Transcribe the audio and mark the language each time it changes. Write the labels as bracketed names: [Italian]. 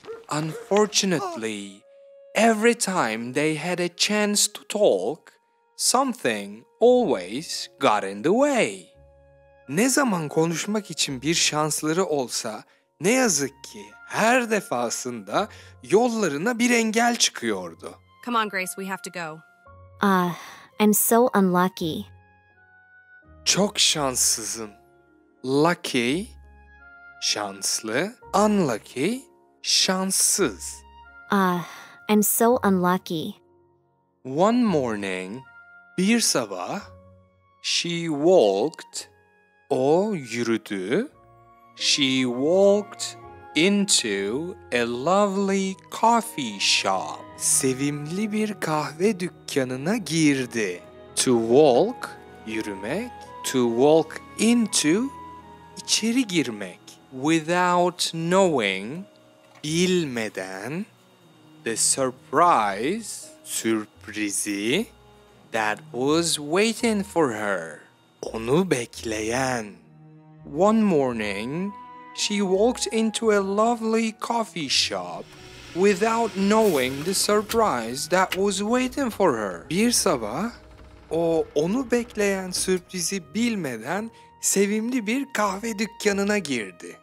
[English] Unfortunately, every time they had a chance to talk, something always got in the way. [Turkish] Ne zaman konuşmak için bir şansları olsa, ne yazık ki her defasında yollarına bir engel çıkıyordu. [English] Come on, Grace, we have to go. I'm so unlucky. [Turkish] Çok şanssızım. Lucky, şanslı. [English] Unlucky, şanssız. I'm so unlucky. One morning, [Turkish] bir sabah, [English] she walked, [Turkish] o yürüdü, [English] she walked into a lovely coffee shop. [Turkish] Sevimli bir kahve dükkanına girdi. [English] To walk, yürümek, to walk into, [Turkish] içeri girmek. [English] Without knowing, bilmeden, the surprise, sürprizi, that was waiting for her. [Turkish] Onu bekleyen. [English] One morning, she walked into a lovely coffee shop without knowing the surprise that was waiting for her. [Turkish] Bir sabah, o onu bekleyen sürprizi bilmeden sevimli bir kahve dükkanına girdi.